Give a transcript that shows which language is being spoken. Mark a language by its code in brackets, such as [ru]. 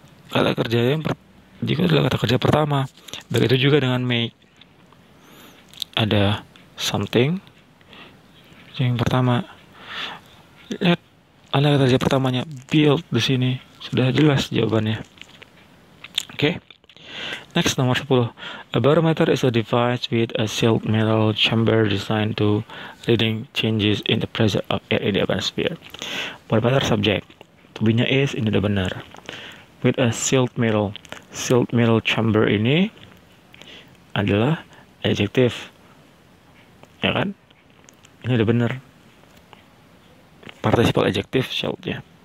[id] Kata kerja yang diikuti adalah kata kerja pertama. Begitu juga dengan make. Ada something yang pertama. Lihat ada kata kerja pertamanya build di sini. Sudah jelas jawabannya. Oke. Okay. Next, nomor 10. [en] A barometer is a device with a sealed metal chamber designed to reading changes in the pressure of air in the atmosphere. Barometer subject. [id] Tubinya is, ini udah benar. [en] With a sealed metal. [id] Sealed metal chamber ini adalah adjective. Ya kan? Ini udah benar. Participle adjective, sealed-nya.